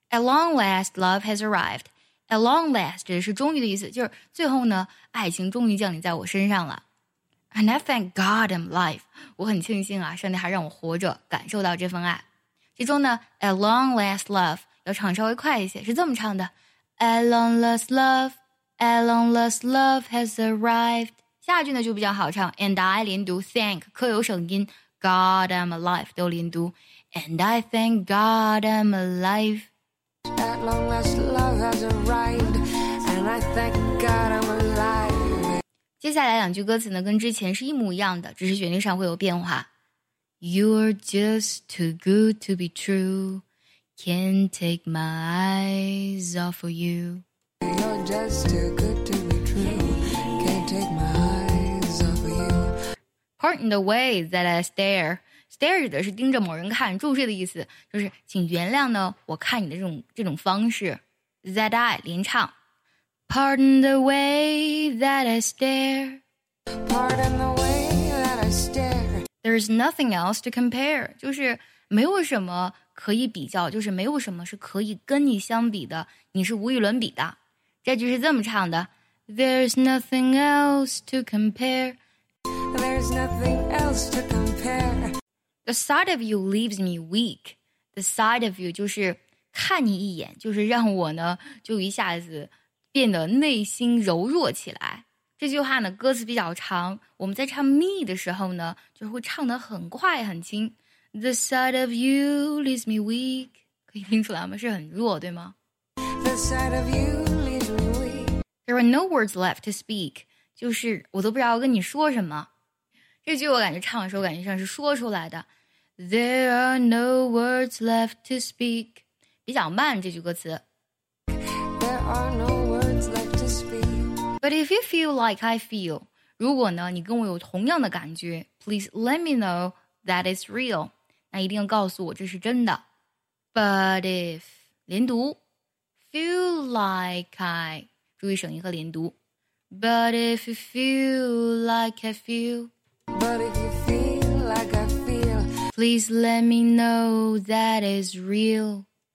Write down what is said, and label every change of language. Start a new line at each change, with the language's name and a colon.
English: At long last love has arrived At long last
Chinese: 指的是终于的意思就是最后呢爱情终于降临在我身上了
English: And I thank God I'm alive.
Chinese: 我很庆幸啊，上帝还让我活着，感受到这份爱。其中呢 ，
English: At long last love
Chinese: 要唱稍微快一些，是这么唱的
English: ：At long last love, At long last love has arrived.
Chinese: 下句呢就比较好唱 ，And I 连读 thank 可有省音 ，
English: God I'm alive
Chinese: 都连读
English: ，And I thank God I'm alive. At long last love has arrived, And I thank God I'm alive.
Chinese: 接下来两句歌词呢跟之前是一模一样的只是旋律上会有变化
English: You're just too good to be true Can't take my eyes off of you You're just too good to be true Can't take my eyes off of you Pardon the way that I stare
Chinese: Stare 指的是盯着某人看注视的意思就是请原谅呢我看你的这种方式 That I 连唱
English: Pardon the way that I stare. Pardon the way that I stare. There's nothing else to compare.
Chinese: 就是没有什么可以比较，就是没有什么是可以跟你相比的，你是无与伦比的。这句是这么唱的
English: There's nothing else to compare. There's nothing else to compare. The sight of you leaves me weak.
Chinese: The sight of you 就是看你一眼，就是让我呢就一下子变得内心柔弱起来这句话呢歌词比较长，我们在唱 me 的时候呢就会唱得很快很轻。
English: The sight of you leaves me weak，
Chinese: 可以听出来吗？是很弱对吗？
English: The sight of you leaves me weak， There are no words left to speak，
Chinese: 就是我都不知道跟你说什么。这句我感觉唱的时候感觉像是说出来的。
English: There are no words left to speak，
Chinese: 比较慢这句歌词。
English: There are no words left to speak But if you feel like I feel,
Chinese: 如果呢你跟我有同样的感觉
English: please let me know that it's real.
Chinese: 那一定要告诉我这是真的。
English: But if, 连读 feel like I,
Chinese: 注意声音和连读。
English: But if you feel like I feel, But if you feel like I feel, please let me know that it's real.